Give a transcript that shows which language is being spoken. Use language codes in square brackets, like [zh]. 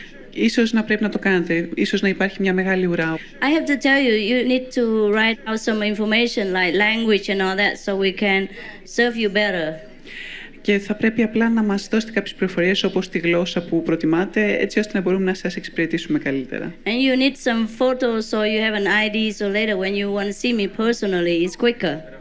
[el] Ίσως να πρέπει να το κάνετε. Ίσως να υπάρχει μια μεγάλη ουρά. [en] I have to tell you, you need to write out some information like language and all that so we can serve you better. [el] Και θα πρέπει απλά να μας δώσετε κάποιες πληροφορίες όπως τη γλώσσα που προτιμάτε, έτσι ώστε να μπορούμε να σας εξυπηρετήσουμε καλύτερα. [en] And you need some photos or you have an ID so later when you want to see me personally, it's quicker.